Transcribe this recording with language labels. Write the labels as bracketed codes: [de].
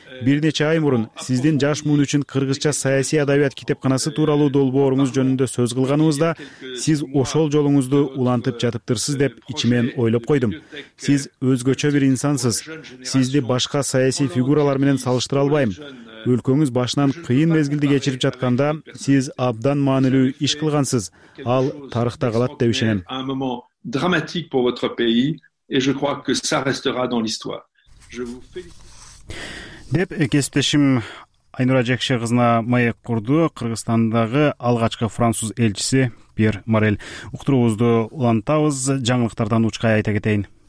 [ky] Бир нече ай мурун сиздин жаш муун үчүн кыргызча саясий адабият китепканасы тууралуу долбооруңуз жөнүндө сөз кылганыбызда сиз ошол жолуңузду улантып жатыптырсыз деп ичимен ойлоп койдум. Сиз өзгөчө бир инсансыз. Сизди башка саясий фигуралар менен салыштыра албайм. Өлкөңүз башынан кыйын мезгилди кечирип жатканда сиз абдан маанилүү иш кылгансыз. Ал тарыхта калат деп ишенем. [fr] Драматик pour votre pays et je crois que ça restera dans l'histoire. [ky] Деп экестешим Айнура Жакшы кызына маек курду Кыргызстандагы алгачкы француз элчиси Пьер Морель. Уктуруубузду улантабыз, жаңылыктардан учкай айта кетейин.